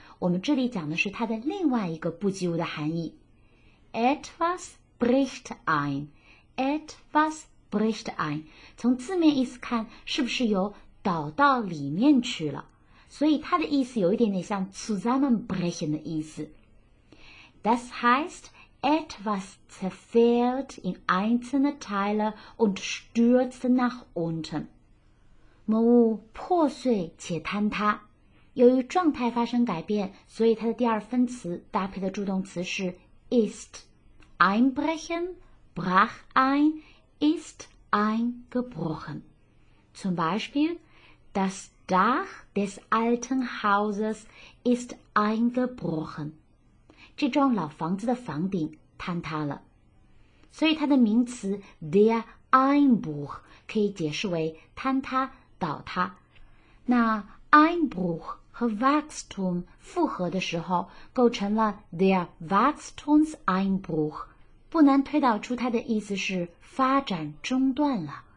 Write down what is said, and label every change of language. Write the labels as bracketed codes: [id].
[zh] 我们这里讲的是它的另外一个不及物的含义。 [de] Etwas bricht ein， Etwas bricht ein， [zh] 从字面意思看是不是有倒到里面去了，所以它的意思有一点点像 zusammenbrechen 的意思。 [de] Das heißt,Etwas zerfällt in einzelne Teile und stürzt nach unten. [zh] 某物破碎且坍塌。由于状态发生改变，所以它的第二分词搭配的助动词是 ist. [de] Einbrechen, brach ein, ist eingebrochen. Zum Beispiel, das Dach des alten Hauses ist eingebrochen. [zh] 这幢老房子的房顶坍塌了。所以它的名词 der Einbruch 可以解释为坍塌、倒塌。那 Einbruch 和 Wachstum 复合的时候构成了 der Wachstumseinbruch， 不难推导出它的意思是发展中断了。